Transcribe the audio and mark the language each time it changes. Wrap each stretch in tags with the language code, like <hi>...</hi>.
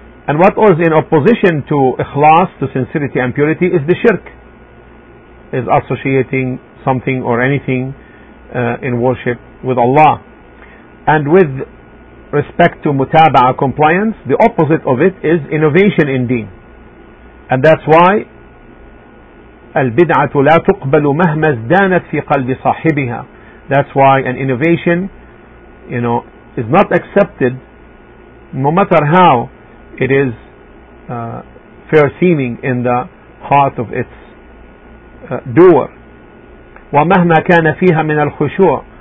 <en>And what was in opposition to ikhlas, to sincerity and purity, is the shirk, is associating something or anything in worship with Allah. And with respect to mutaba'a, compliance, the opposite of it is innovation in deen. And that's why</en> <ar>البدعة لا تقبل مهما ازدانت في قلب صاحبها.</ar> <en>That's why an innovation, you know, is not accepted no matter how it is fair seeming in the heart of its doer.</en> <ar>ومهما كان فيها من الخشوع,</ar>